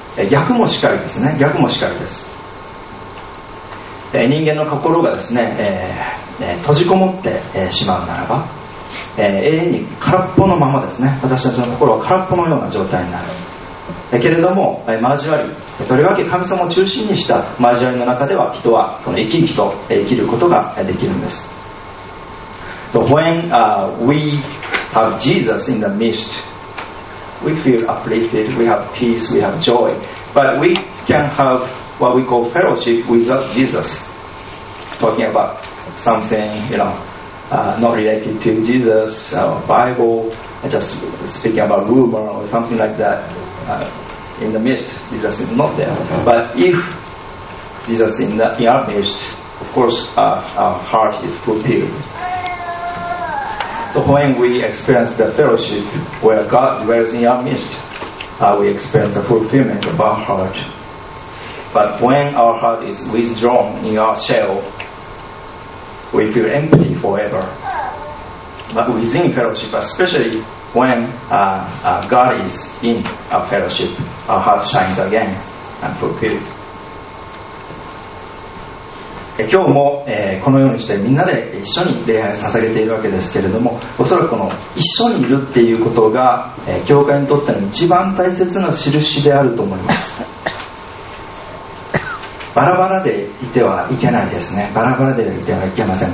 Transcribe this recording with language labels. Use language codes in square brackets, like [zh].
[ja] 逆もしかりですね。逆もしかりです。人間の心がですね、閉じこもってしまうならば、永遠に空っぽのままですね、私たちの心は空っぽのような状態になる。けれども交わり、とりわけ神様を中心にした交わりの中では、人はこの生き生きと生きることができるんです。 [en] So when we have Jesus in the midst, we feel uplifted, we have peace, we have joy, but we can have what we call fellowship without Jesus. Talking about something, not related to Jesus, Bible, just speaking about rumor or something like that, in the midst, Jesus is not there. But if Jesus is in our midst, of course our heart is fulfilled. So when we experience the fellowship where God dwells in our midst, we experience the fulfillment of our heart. But when our heart is withdrawn in our shell,We feel empty forever. But within fellowship, especially when God is in our fellowship, our heart shines again and fulfilled. [ja] 今日も、このようにしてみんなで一緒に礼拝を捧げているわけですけれども、おそらくこの一緒にいるっていうことが、教会にとっての一番大切な印であると思います。バラバラでいてはいけないですね。バラバラでいてはいけません。